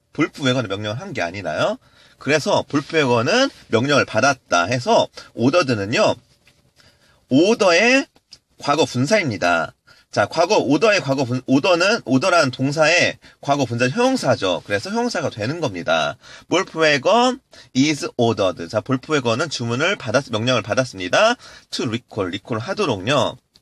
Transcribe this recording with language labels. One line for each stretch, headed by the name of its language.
Korean: 볼프웨건이 명령을 한게 아니라요. 그래서 볼프웨건은 명령을 받았다 해서 오더드는요. 오더의 과거 분사입니다. 자, 과거 오더의 과거 분 오더는 오더라는 동사의 과거 분사 형용사죠. 그래서 형용사가 되는 겁니다.
English: 볼프웨건 is ordered.
Korean: 자, 볼프웨건은 명령을 받았습니다. To recall 하도록요.